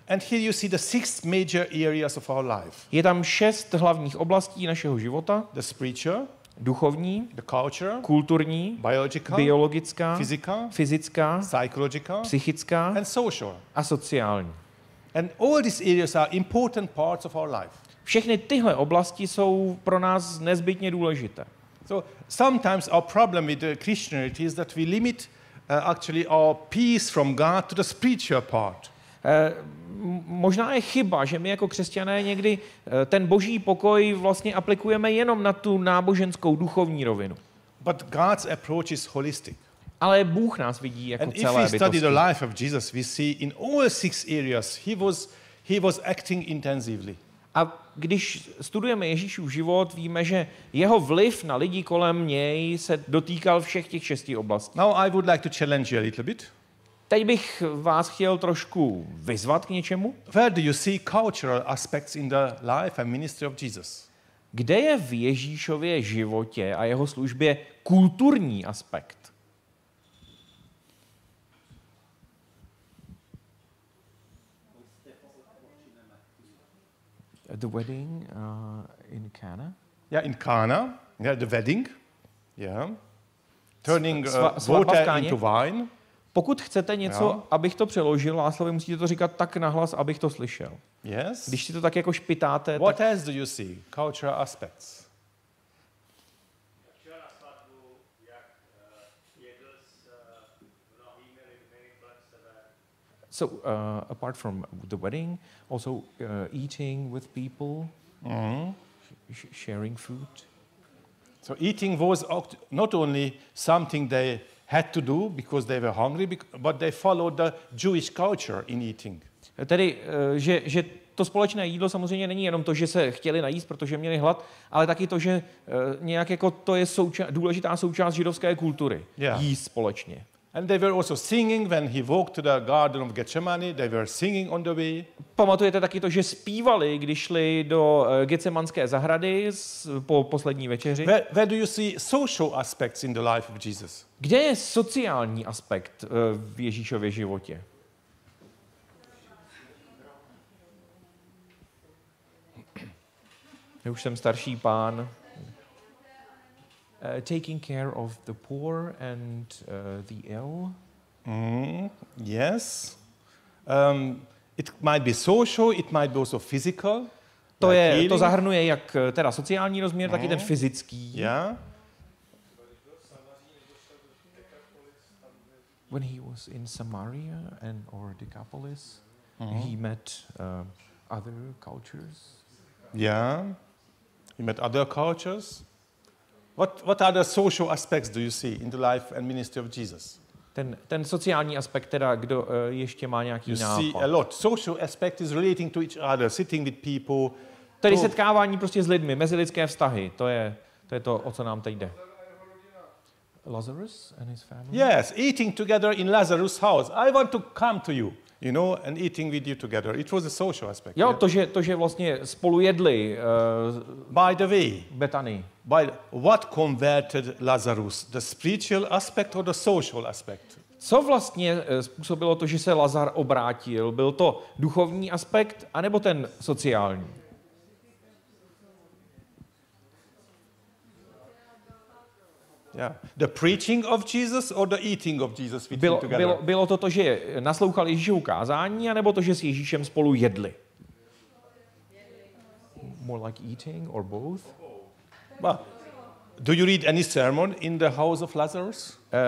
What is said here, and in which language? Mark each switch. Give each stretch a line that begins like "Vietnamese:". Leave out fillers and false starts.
English: And here you see the six major areas of our life.
Czech: Je tam šest hlavních oblastí našeho života.
English: The spiritual,
Czech: duchovní,
English: the culture,
Czech: kulturní,
English: biological,
Czech: biologická,
English: physical,
Czech: fyzická,
English: psychological,
Czech: psychická
English: and social,
Czech: a sociální.
English: And all these areas are important parts of our life.
Czech: Všechny tyhle oblasti jsou pro nás nezbytně důležité.
English: So sometimes our problem with Christianity is that we limit actually our peace from God to the spiritual part.
Czech: Možná je chyba, že my jako křesťané někdy ten Boží pokoj vlastně aplikujeme jenom na tu náboženskou duchovní rovinu.
English: But God's approach is holistic.
Czech: Ale Bůh nás vidí jako
English: and
Czech: celé bytosti.
English: And if we study the life of Jesus, we see in all six areas he was acting intensively.
Czech: A když studujeme Ježíšův život, víme, že jeho vliv na lidi kolem něj se dotýkal všech těch šesti oblastí.
English: Now I would like to challenge you a little bit.
Czech: Teď bych vás chtěl trošku vyzvat k něčemu.
English: Where do you see cultural aspects in the life and ministry of Jesus?
Czech: Kde je v Ježíšově životě a jeho službě kulturní aspekt?
English: The wedding in Cana. Yeah, in Cana. Yeah, the wedding. Yeah. Turning water into wine.
Czech: Pokud chcete něco,
English: yeah.
Czech: Abych to přeložil, Láslavi, musíte to říkat tak nahlas, abych to slyšel. Yes. Když si to tak jako špitáte.
English: What
Czech: tak...
English: else do you see? Cultural aspects. So apart from the wedding, also eating with people, sharing food. So eating was not only something they had to do because they were hungry, but they followed the Jewish culture in eating.
Czech: Tedy, že to společné jídlo samozřejmě není jenom to, že se chtěli najíst, protože měli hlad, ale taky to, že nějak jako to je důležitá součást židovské kultury, jíst společně.
English: And they were also singing when he walked to the Garden of Gethsemane. They were singing on the way.
Czech: Pamatujete taky to, že zpívali, když šli do Getsemanské zahrady po poslední večeři?
English: Where do you see social aspects in the life of Jesus?
Czech: Kde je sociální aspekt v Ježíšově životě? Já už jsem starší pán.
English: Taking care of the poor and the ill. Yes. It might be social, it might be also physical.
Czech: To like je healing. To zahrnuje jak teda sociální rozměr, tak i ten fyzický.
English: Yeah. When he was in Samaria and or Decapolis, he met other cultures. Yeah. He met other cultures. What are the social aspects do you see in the life and ministry of Jesus?
Czech: Ten sociální aspekt, teda kdo ještě má nějaký
English: you
Czech: nápad.
English: You see a lot. Social aspect is relating to each other, sitting with people,
Czech: Tedy to... setkávání prostě s lidmi, mezilidské vztahy, to je to, o co nám teď jde.
English: Lazarus and his family? Yes, eating together in Lazarus' house. I want to come to you, you know, and eating with you together. It was a social aspect.
Czech: Jo, to, že vlastně spolu jedli.
English: By the way, Bethany. By the, what converted Lazarus? The spiritual aspect or the social aspect?
Czech: Co vlastně způsobilo to, že se Lazar obrátil? Byl to duchovní aspekt, anebo ten sociální?
English: Yeah. The preaching of Jesus or the eating of Jesus with him together?
Czech: Bylo to, že naslouchal Ježíšovu kázání, anebo to, že s Ježíšem spolu jedli?
English: More like eating or both? Well, do you read any sermon in the house of Lazarus?